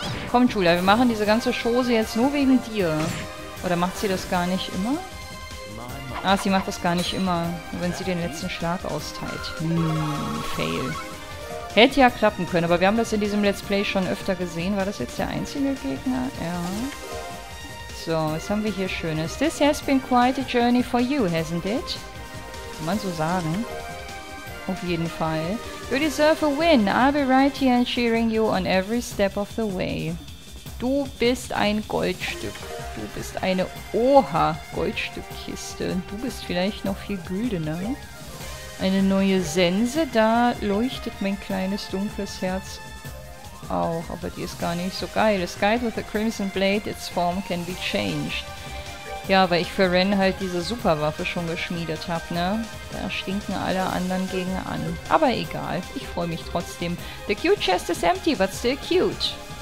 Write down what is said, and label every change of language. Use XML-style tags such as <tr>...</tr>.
<de>Komm, Julia, wir machen diese ganze Chose jetzt nur wegen dir. Oder macht sie das gar nicht immer? Ah, sie macht das gar nicht immer, wenn sie den letzten Schlag austeilt. Fail. Hätte ja klappen können, aber wir haben das in diesem Let's Play schon öfter gesehen. War das jetzt der einzige Gegner? Ja. So, was haben wir hier Schönes?</de> <en>This has been quite a journey for you, hasn't it?</en> <de>Kann man so sagen. Auf jeden Fall.</de> <en>You deserve a win. I'll be right here and cheering you on every step of the way.</en> <de>Du bist ein Goldstück. Du bist eine Oha-Goldstückkiste. Du bist vielleicht noch viel güldener. Eine neue Sense. Da leuchtet mein kleines dunkles Herz auch. Aber die ist gar nicht so geil.</de> <en>A sky with a crimson blade, its form can be changed.</en> <de>Ja, weil ich für Ren halt diese Superwaffe schon geschmiedet habe, ne? Da stinken alle anderen gegen an. Aber egal, ich freue mich trotzdem.</de> <en>The cute chest is empty, but still cute.</en>